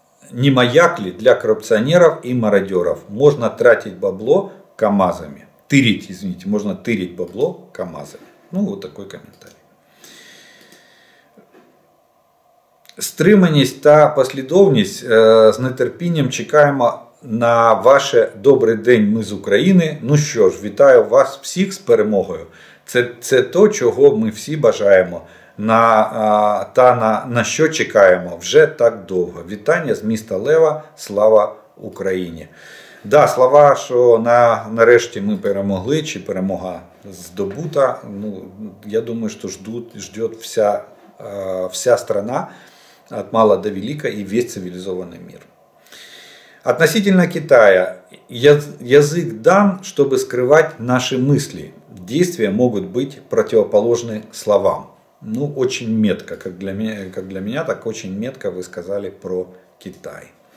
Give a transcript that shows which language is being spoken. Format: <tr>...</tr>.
<ru>не маяк ли для коррупционеров и мародеров? Можно тратить бабло КАМАЗами. Тырить, извините, можно тырить бабло КАМАЗами. Ну, вот такой комментарий.</ru> <uk>Стриманість та послідовність, з нетерпінням чекаємо на ваше «Добрий день, ми з України». Ну що ж, вітаю вас всіх з перемогою. Це то, чого ми всі бажаємо. На що чекаємо вже так довго. Вітання з міста Лева, слава Україні. Да, слова, що нарешті ми перемогли, чи перемога здобута. Ну, я думаю, що ждуть вся страна, от мала до велика, і весь цивілізований мир.</uk> <ru>Относительно Китая. Язык дан, чтобы скрывать наши мысли. Действия могут быть противоположны словам. Ну, очень метко, как для меня, так очень метко вы сказали про Китай.</ru>